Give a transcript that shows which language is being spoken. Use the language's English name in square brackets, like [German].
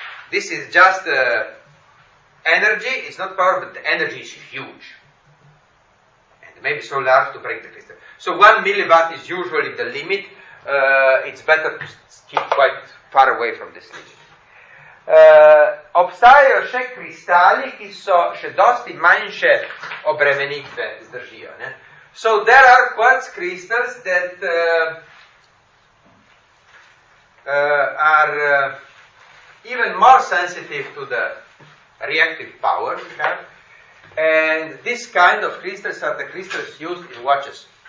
[English] This is just energy, it's not power, but the energy is huge. And maybe so large to break the crystal. So 1 milliwatt is usually the limit. It's better to keep quite far away from this limit. [Slovenian] Obstajajo še kristali, ki so še dosti manjše obremenitve zdržijo. Ne? [English] So there are quartz crystals that are even more sensitive to the reactive power. And this kind of crystals are the crystals used in watches.